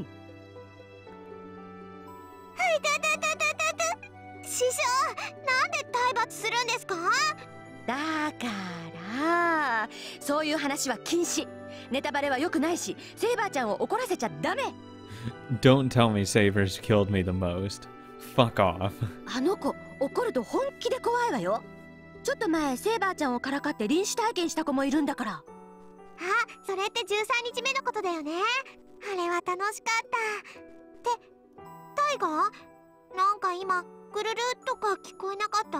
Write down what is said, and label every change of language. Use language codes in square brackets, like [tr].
[ja] はい、たた。師匠、なんで体罰するんですか？だから、そういう話は禁止。ネタバレは良くないし、セイバーちゃんを怒らせちゃダメ。 [en] Don't tell me Saber's killed me the most. Fuck off. [ja] あの子、怒ると本気で怖いわよ。ちょっと前、セイバーちゃんをからかって臨死体験した子もいるんだから。あ、それって13日目のことだよね。あれは楽しかった。って、タイガー？なんか今、ぐるるとか聞こえなかった？